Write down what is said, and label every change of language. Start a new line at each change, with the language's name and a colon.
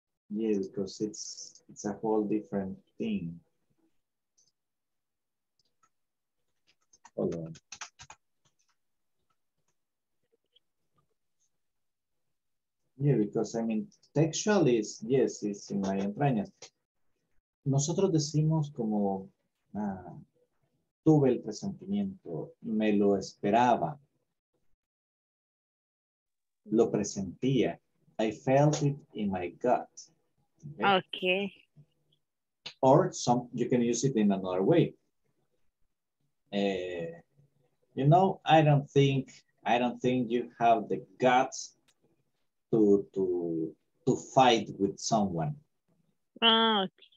English: Yeah, because it's a whole different thing. Hold on. Yeah, because I mean, textual is, yes, it's in my entrañas.
Spanish: Nosotros decimos como, tuve el presentimiento, me lo esperaba, lo presentía,
English: I felt it in my gut. Okay. Or some you can use it in another way. You know, I don't think you have the guts to fight with someone. Okay.